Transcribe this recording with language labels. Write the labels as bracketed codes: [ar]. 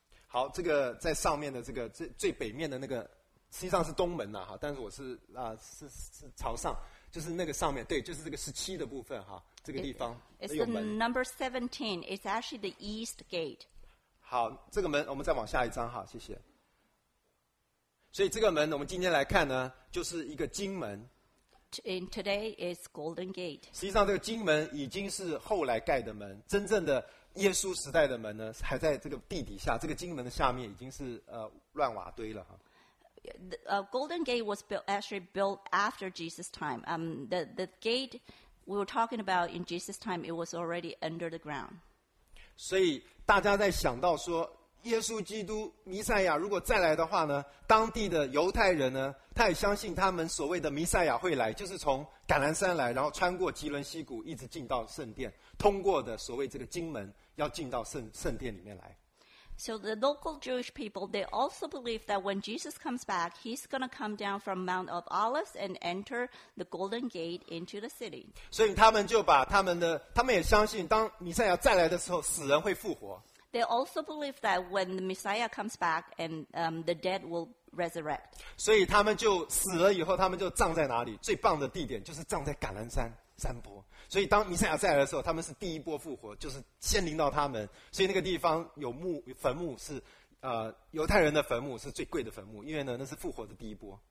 [zh] 好，这个在上面的这个最北面的那个，实际上是东门呐，哈，但是我是是朝上，就是那个上面，对，就是这个十七的部分哈，这个地方。 [en] It's the number 17. It's actually the East Gate. [zh] 好，这个门我们再往下一张哈，谢谢。所以这个门我们今天来看呢，就是一个金门。 [en] In today is Golden Gate. [zh] 实际上，这个金门已经是后来盖的门。真正的耶稣时代的门呢，还在这个地底下。这个金门的下面已经是乱瓦堆了哈。 [en] Golden Gate was built after Jesus' time. The gate we were talking about in Jesus' time, it was already under the ground. [zh] 所以大家在想到说，耶稣基督弥赛亚如果再来的话呢，当地的犹太人呢，他也相信他们所谓的弥赛亚会来，就是从橄榄山来，然后穿过基伦西谷，一直进到圣殿，通过的所谓这个金门，要进到圣殿里面来。 [en] So the local Jewish people, they also believe that when Jesus comes back, he's going to come down from Mount of Olives and enter the Golden Gate into the city. [zh] 所以他们也相信，当弥赛亚再来的时候，死人会复活。 [en] They also believe that when the Messiah comes back and the dead will resurrect. [zh] 所以他们就死了以后，他们就葬在哪里？最棒的地点就是葬在橄榄山山坡。所以当弥赛亚再来的时候，他们是第一波复活，就是先临到他们。所以那个地方有墓坟墓是犹太人的坟墓是最贵的坟墓，因为呢那是复活的第一波。